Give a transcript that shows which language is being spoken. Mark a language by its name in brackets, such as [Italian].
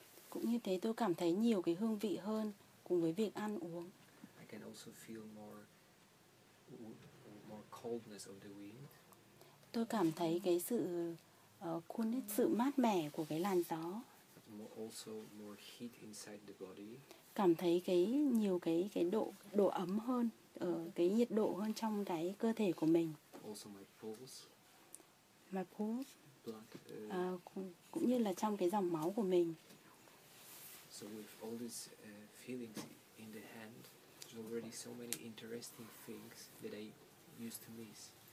[Vietnamese] Cũng như thế tôi cảm thấy nhiều cái hương vị hơn cùng với việc ăn uống. [English] I can also feel more coldness of the wind. [Vietnamese] Tôi cảm thấy cái sự coolness, sự mát mẻ của cái làn gió. [English] Also more heat inside the body. [Vietnamese] Cảm thấy cái nhiều cái độ ấm hơn ở cái nhiệt độ hơn trong cái cơ thể của mình. [English] Also my pulse. My pulse. Blood, [Vietnamese] cũng như là trong cái dòng máu của mình. [English] So with all these feelings in the hand, there's already so many interesting things that I used to miss.